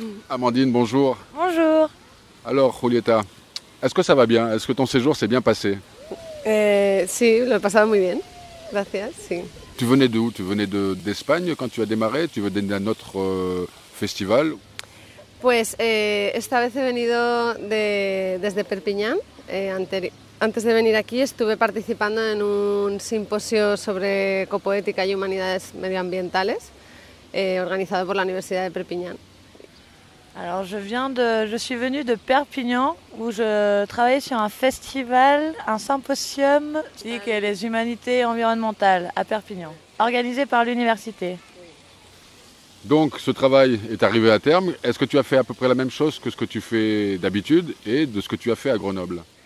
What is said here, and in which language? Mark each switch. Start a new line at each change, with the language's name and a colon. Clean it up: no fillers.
French: Amandine, bonjour. Bonjour. Alors Julieta, est-ce que ça va bien? Est-ce que ton séjour s'est bien passé?
Spanish: Sí, lo he pasado muy bien. Gracias, sí.
French: Tu venais d'où? Tu venais d'Espagne quand tu as démarré? Tu veux donner un autre festival?
Spanish: Pues esta vez he venido desde Perpignan. Antes de venir aquí estuve participando en un simposio sobre ecopoética y humanidades medioambientales organizado por la Universidad de Perpignan.
French: Alors je suis venue de Perpignan où je travaillais sur un festival, un symposium qui est les humanités environnementales à Perpignan, organisé par l'université. Donc ce travail est arrivé à terme. Est-ce que tu as fait à peu près la même chose que ce que tu fais d'habitude et de ce que tu as fait à Grenoble?